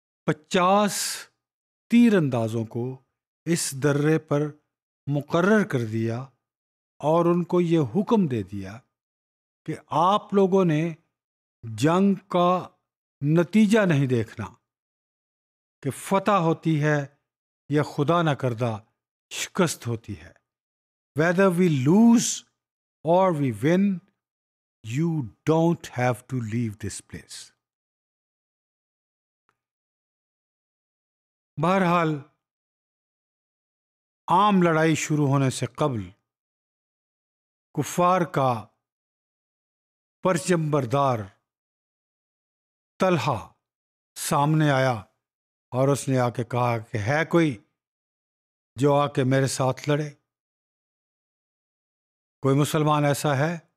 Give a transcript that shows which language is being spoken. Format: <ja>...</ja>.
<ur>50 تیر اندازوں کو اس درے پر مقرر کر دیا اور ان کو یہ حکم دے دیا کہ آپ لوگوں نے جنگ کا نتیجہ نہیں دیکھنا کہ فتح ہوتی ہے یا خدا نہ کردہ شکست ہوتی ہے.</ur> <en>Whether we lose or we win, you don't have to leave this place.</en> <ur>بہرحال عام لڑائی شروع ہونے سے قبل کفار کا پرچم بردار طلحہ سامنے آیا اور اس نے آ کے کہا کہ ہے کوئی جو آ کے میرے ساتھ لڑے؟ کوئی مسلمان ایسا ہے؟</ur>